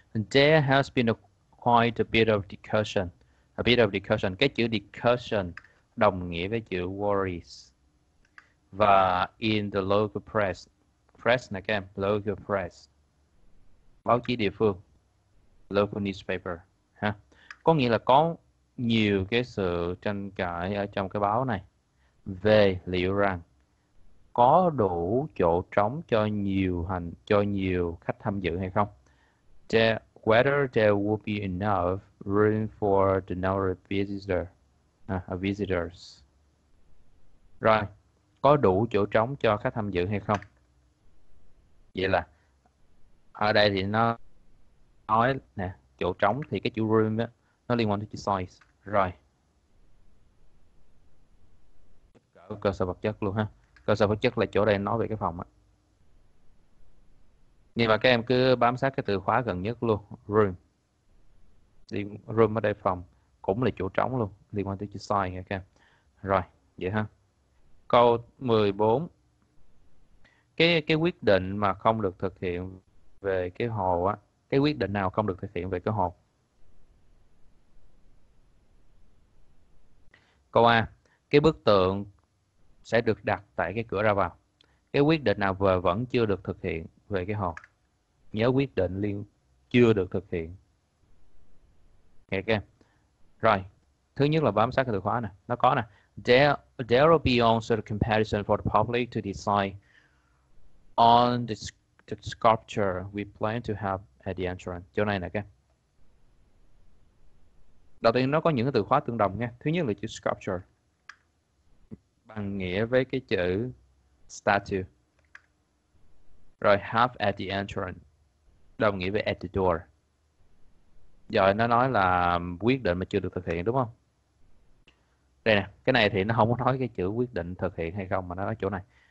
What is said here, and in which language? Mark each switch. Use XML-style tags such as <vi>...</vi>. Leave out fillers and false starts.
<en>There has been quite a bit of discussion.</en> <vi>Cái chữ discussion đồng nghĩa với chữ worries. Và in the local press, press này các em, local press, báo chí địa phương, local newspaper, ha. Có nghĩa là có nhiều cái sự tranh cãi ở trong cái báo này về liệu rằng có đủ chỗ trống cho nhiều khách tham dự hay không.</vi> <en>Whether there will be enough room for the number of visitors.</en> <vi>Rồi, có đủ chỗ trống cho khách tham dự hay không? Vậy là ở đây thì nó nói nè, chỗ trống thì cái chữ room á nó liên quan tới chữ size. Rồi. Cơ sở vật chất luôn ha. Cơ sở vật chất là chỗ đây nói về cái phòng á. Nhưng mà các em cứ bám sát cái từ khóa gần nhất luôn, room. Room ở đây phòng cũng là chỗ trống luôn, liên quan tới chữ size nha các em. Rồi, vậy ha. Câu 14. Cái quyết định mà không được thực hiện về cái hồ á, cái quyết định nào không được thực hiện về cái hồ? Câu A, cái bức tượng sẽ được đặt tại cái cửa ra vào. Cái quyết định nào vẫn chưa được thực hiện về cái hồ? Nhớ quyết định liên chưa được thực hiện. Nghe các em. Rồi, thứ nhất là bám sát cái từ khóa nè, nó có nè.</vi> <en>There will be also a comparison for the public to decide on the sculpture we plan to have at the entrance.</en> <vi>Chỗ này nè các em. Đầu tiên nó có những cái từ khóa tương đồng nha. Thứ nhất là chữ sculpture bằng nghĩa với cái chữ statue. Rồi, have at the entrance đồng nghĩa với at the door. Rồi, nó nói là quyết định mà chưa được thực hiện, đúng không? Đây nè, cái này thì nó không có nói cái chữ quyết định thực hiện hay không, mà nó nói chỗ này.</vi>